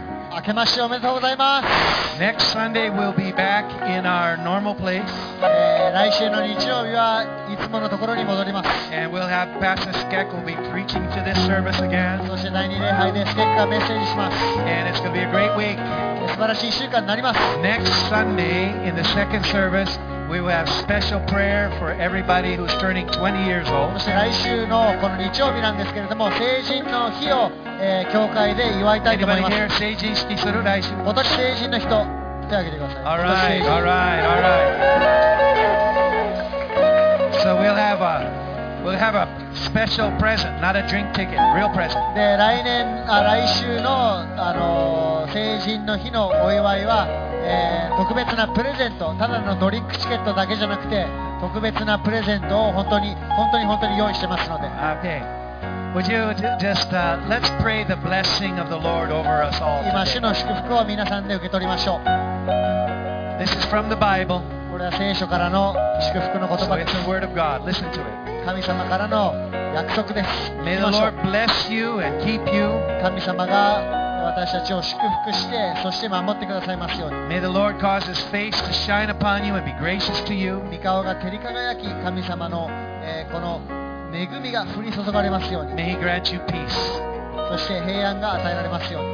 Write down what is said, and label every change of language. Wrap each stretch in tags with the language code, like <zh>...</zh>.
<ja>明けましておめでとうございます。</ja> <en>Next Sunday we'll be back in our normal place.</en> <ja>来週の日曜日はいつものところに戻ります。</ja> <en>And we'll have Pastor Skek will be preaching to this service again.</en> <ja>そして第二礼拝でスケックがメッセージします。</ja> <en>And it's going to be a great week.</en> <ja>素晴らしい週間になります。</ja> <en>Next Sunday in the second serviceWe will have special prayer for everybody who's turning 20 years old.</en> <ja>そして来週のこの日曜日なんですけれども、成人の日を、教会で祝いたいと思います。</ja> <en>Anybody here</en> <ja>成人式する来週？今年成人の人、手を挙げてください。</ja> <en>All right, all right, all right. So we'll have a special present, not a drink ticket, real present.</en> <ja>で来年あ来週のあの成人の日のお祝いは。特別なプレゼント、ただのドリンクチケットだけじゃなくて、特別なプレゼントを本当に用意してますので。</ja> <en>Okay. Would you just, let's pray the blessing of the Lord over us all.</en> <ja>今主の祝福を皆さんで受け取りましょう。</ja> <en>This is from the Bible.</en> <ja>これは聖書からの祝福の言葉です。</ja> <en>So it's the word of God. Listen to it.</en> <ja>神様からの約束です。</ja> <en>May the Lord bless you and keep you.</en> <ja>神様が私たちを祝福してそして守ってくださいますように。</ja> <en>May the Lord cause His face to shine upon you and be gracious to you.</en> <ja>御顔が照り輝き神様の、この恵みが降り注がれますように。</ja> <en>May He grant you peace.</en> <ja>そして平安が与えられますように。</ja>